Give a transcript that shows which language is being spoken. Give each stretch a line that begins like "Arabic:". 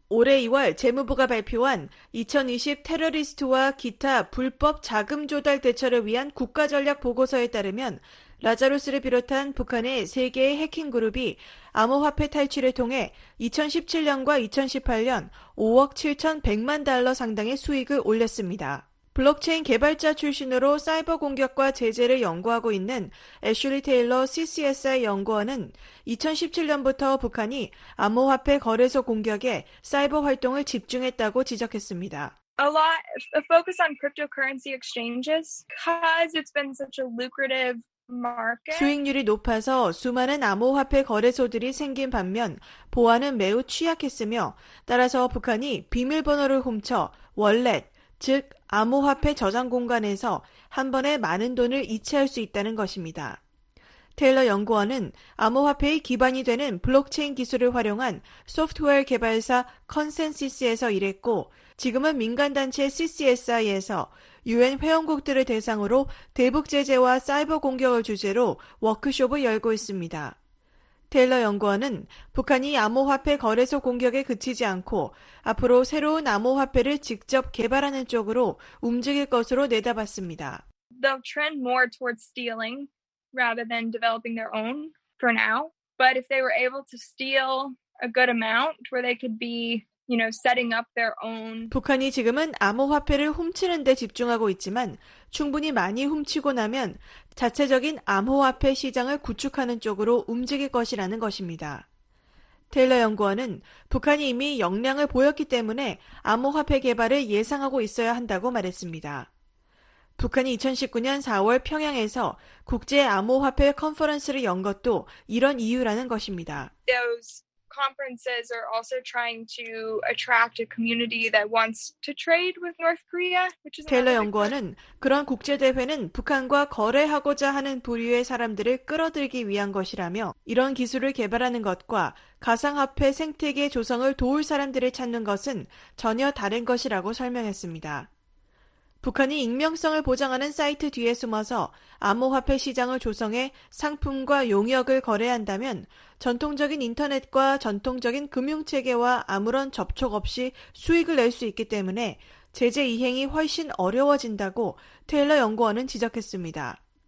Korean: 올해 2월 재무부가 발표한 2020 테러리스트와 기타 불법 자금 조달 대처를 위한 국가전략 보고서에 따르면 라자루스를 비롯한 북한의 3개의 해킹 그룹이 암호화폐 탈취를 통해 2017년과 2018년 5억 7,100만 달러 상당의 수익을 올렸습니다. 블록체인 개발자 출신으로 사이버 공격과 제재를 연구하고 있는 애슐리 테일러 CCSI 연구원은 2017년부터 북한이 암호화폐 거래소 공격에 사이버 활동을 집중했다고 지적했습니다.
English: A lot of focus on cryptocurrency exchanges because it's been such a lucrative market.
Korean: 수익률이 높아서 수많은 암호화폐 거래소들이 생긴 반면 보안은 매우 취약했으며 따라서 북한이 비밀번호를 훔쳐 월렛, 즉 암호화폐 저장 공간에서 한 번에 많은 돈을 이체할 수 있다는 것입니다. 테일러 연구원은 암호화폐의 기반이 되는 블록체인 기술을 활용한 소프트웨어 개발사 컨센시스에서 일했고 지금은 민간단체 CCSI에서 UN 회원국들을 대상으로 대북 제재와 사이버 공격을 주제로 워크숍을 열고 있습니다. 테일러 연구원은 북한이 암호화폐 거래소 공격에 그치지 않고 앞으로 새로운 암호화폐를 직접 개발하는 쪽으로 움직일 것으로 내다봤습니다.
English: They'll trend more towards stealing rather than developing their own for now. But if they were able to steal a good amount where they could be, you know, setting up their own.
Korean: 북한이 지금은 암호화폐를 훔치는 데 집중하고 있지만 충분히 많이 훔치고 나면 자체적인 암호화폐 시장을 구축하는 쪽으로 움직일 것이라는 것입니다. 테일러 연구원은 북한이 이미 역량을 보였기 때문에 암호화폐 개발을 예상하고 있어야 한다고 말했습니다. 북한이 2019년 4월 평양에서 국제 암호화폐 컨퍼런스를 연 것도 이런 이유라는 것입니다.
English: Those conferences are also trying to attract a community that wants to trade with North Korea, which is
Korean: 테일러 연구원은 그런 국제 대회는 북한과 거래하고자 하는 부류의 사람들을 끌어들이기 위한 것이라며 이런 기술을 개발하는 것과 가상화폐 생태계 조성을 도울 사람들을 찾는 것은 전혀 다른 것이라고 설명했습니다. 북한이 익명성을 보장하는 사이트 뒤에 숨어서 암호화폐 시장을 조성해 상품과 용역을 거래한다면 전통적인 인터넷과 전통적인 금융체계와 아무런 접촉 없이 수익을 낼 수 있기 때문에 제재 이행이 훨씬 어려워진다고 테일러 연구원은 지적했습니다.